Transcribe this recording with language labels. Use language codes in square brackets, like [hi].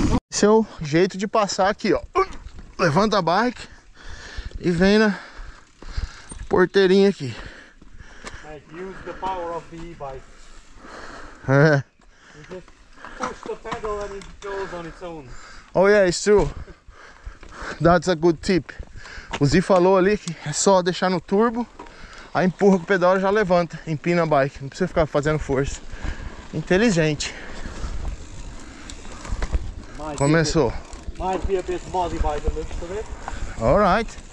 [pt] Seu jeito de passar aqui, ó. Levanta a bike e vem na porteirinha aqui. [en] Use the power of the e-bike. [pt] É. [en] You just push the pedal and it goes on its own. Oh yeah, it's true. That's a good tip. [pt] O Zi falou ali que é só deixar no turbo, aí empurra com o pedal e já levanta, empina a bike. Não precisa ficar fazendo força. Inteligente. Começou. [en] Alright.